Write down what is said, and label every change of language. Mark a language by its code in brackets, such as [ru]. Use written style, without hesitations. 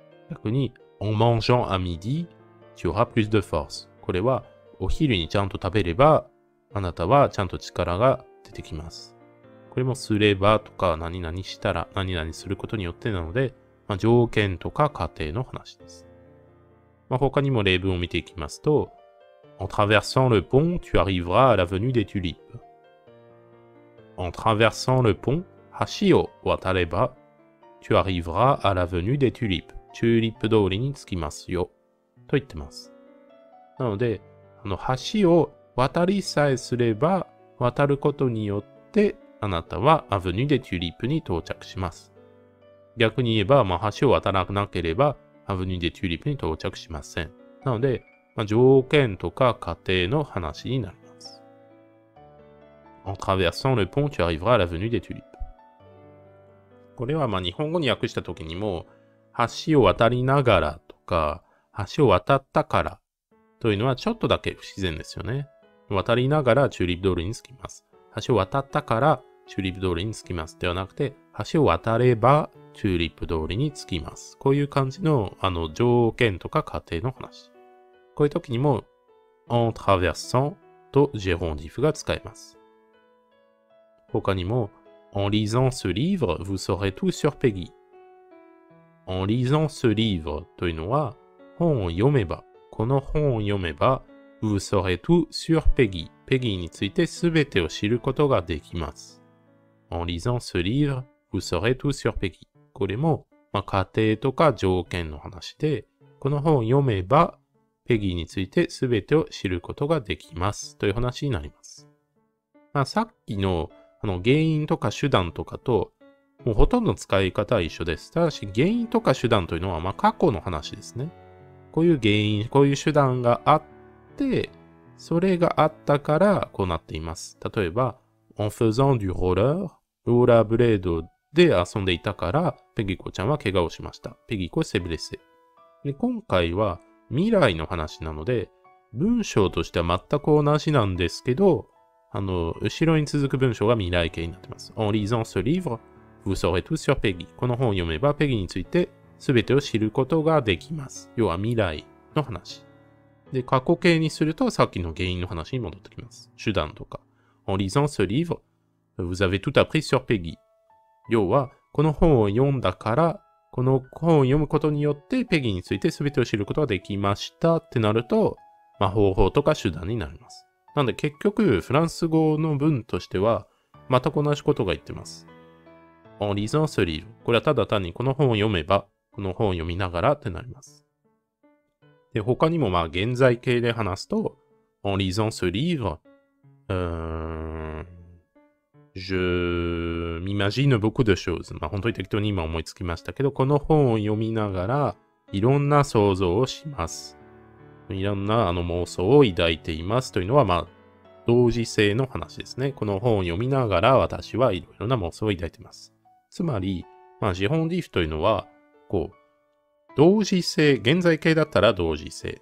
[fr] 逆に、en mangeant à midi, tu auras plus de force。 [ja] これは、お昼にちゃんと食べれば、あなたはちゃんと力が出てきます。これも、すればとか、何々したら、何々することによってなので、まあ、条件とか家庭の話です。まあ、他にも例文を見ていきますと、 [fr] En traversant le pont, tu arriveras à l'avenue des tulipes. En traversant le pont, [ja] 橋を渡れば、 [fr] tu arriveras à l'avenue des tulipes. [ja] チューリップ通りに着きますよ。と言ってます。なので、この橋を渡りさえすれば、渡ることによって、あなたはアヴニュデチューリップに到着します。逆に言えば、まあ、橋を渡らなければ、アヴニュデチューリップに到着しません。なので、まあ、条件とか過程の話になります。 [fr] En traversant le pont, tu arriveras à l'avenue des tulipes. [ja] これは、まあ、日本語に訳した時にも、橋を渡りながらとか、橋を渡ったからというのはちょっとだけ不自然ですよね。渡りながらチューリップ通りに着きます。橋を渡ったからチューリップ通りに着きますではなくて、橋を渡ればチューリップ通りに着きます。こういう感じの、あの、条件とか過程の話。こういう時にも、en traversant とジェロンディフが使えます。他にも、 [fr] en lisant ce livre, vous saurez tout sur Peggy. En lisant ce livre [ja] というのは、本を読めば、この本を読めば、 [fr] vous saurez tout sur Peggy. [ja] Peggy について全てを知ることができます。 [fr] En lisant ce livre, vous saurez tout sur Peggy. [ja] これも、まあ、仮定とか条件の話で、この本を読めば、ペギーについて全てを知ることができますという話になります。まあ、さっきの、あの、原因とか手段とかと、もうほとんど使い方は一緒です。ただし、原因とか手段というのは、まあ、過去の話ですね。こういう原因、こういう手段があって、それがあったから、こうなっています。例えば、 [fr] en faisant du roller、 [ja] ローラーブレードで遊んでいたから、ペギコちゃんは怪我をしました。ペギコセブレセ。で、今回は、未来の話なので、文章としては全く同じなんですけど、あの、後ろに続く文章が未来形になってます。 [fr] En lisant ce livre, vous saurez tout sur Peggy. [ja] この本を読めば、ペギについて全てを知ることができます。要は未来の話。で、過去形にすると、さっきの原因の話に戻ってきます。手段とか。 [fr] En lisant ce livre, vous avez tout appris sur Peggy. [ja] 要は、この本を読んだから、この本を読むことによって、ペギについて全てを知ることができましたってなると、まあ方法とか手段になります。なんで結局、フランス語の文としては、また同じことが言ってます。 [fr] En lisant ce livre。 [ja] これはただ単にこの本を読めば、この本を読みながらってなります。で、他にもまあ現在形で話すと、 [fr] En lisant ce livre, Je m'imagine beaucoup de choses. [ja] まあ本当に適当に今思いつきましたけど、この本を読みながらいろんな想像をします。いろんなあの妄想を抱いていますというのはまあ同時性の話ですね。この本を読みながら私はいろいろな妄想を抱いています。つまり、まあジェロン・ディフというのは、こう、同時性、現在形だったら同時性。